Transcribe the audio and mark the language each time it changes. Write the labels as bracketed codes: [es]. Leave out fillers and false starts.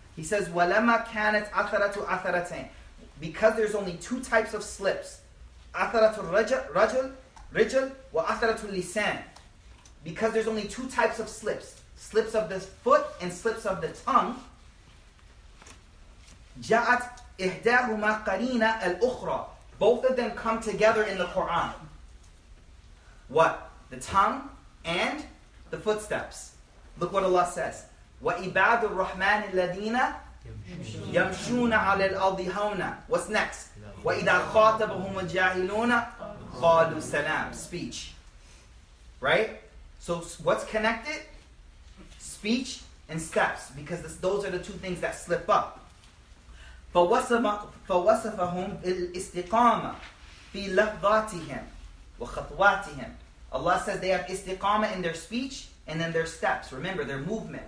[en] He says, [ar] walama kanat atharatu atharatain. [en] Because there's only two types of slips, [ar] atharatu rajul wa atharatu lisan. [en] Because there's only two types of slips, slips of the foot and slips of the tongue. [ar] جاءت إحداهما قرينة الأخرى. [en] Both of them come together in the Quran. What? The tongue and the footsteps. Look what Allah says. [ar] وعباد الرحمن الذين يمشون على الأرض هونا. [en] What's next? [ar] وإذا خاطبهم الجاهلون قالوا سلام. [en] Speech. Right? So what's connected? Speech and steps, because those are the two things that slip up. [ar] فَوَصَفَهُمْ الْإِسْتِقَامَ فِي لَفْضَاتِهِمْ وَخَطْوَاتِهِمْ. [en] Allah says they have istiqama in their speech and in their steps. Remember, their movement.